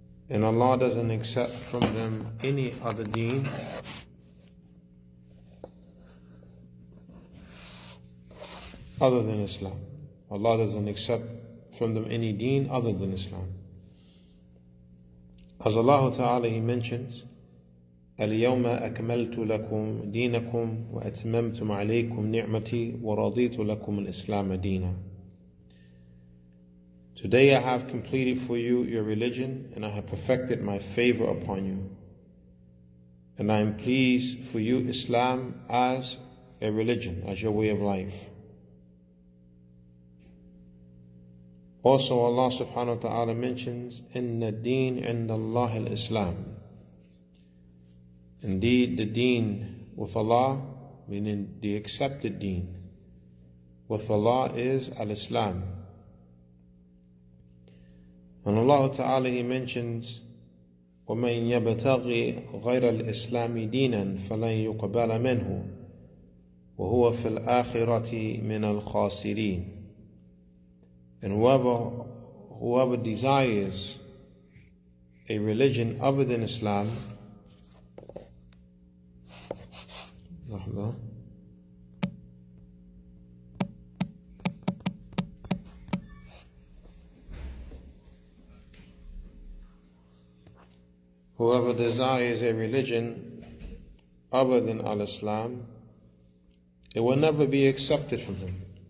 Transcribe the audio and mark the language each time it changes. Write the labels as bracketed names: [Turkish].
[English] And Allah doesn't accept from them any other deen. Other than Islam. Allah doesn't accept from them any deen other than Islam. As Allah Ta'ala, he mentions, [Arabic] اليوم أكملت لكم دينكم وأتممت عليكم نعمتي ورضيت لكم الإسلام دينا. [English] Today I have completed for you your religion, and I have perfected my favor upon you. And I am pleased for you Islam as a religion, as your way of life. Also Allah subhanahu wa ta'ala mentions, [Arabic] إِنَّ الدِّينَ عِنْدَ اللَّهِ الْإِسْلَامِ. [English] Indeed, the deen with Allah, meaning the accepted deen, with Allah is al-Islam. And Allah Ta'ala, he mentions, [Arabic] وَمَنْ يَبْتَغِي غَيْرَ الْإِسْلَامِ دِينًا فَلَنْ يُقْبَلَ مِنْهُ وَهُوَ فِي الْآخِرَةِ مِنَ الْخَاسِرِينَ. [English] And whoever desires a religion other than Islam, whoever desires a religion other than Al-Islam, it will never be accepted from him.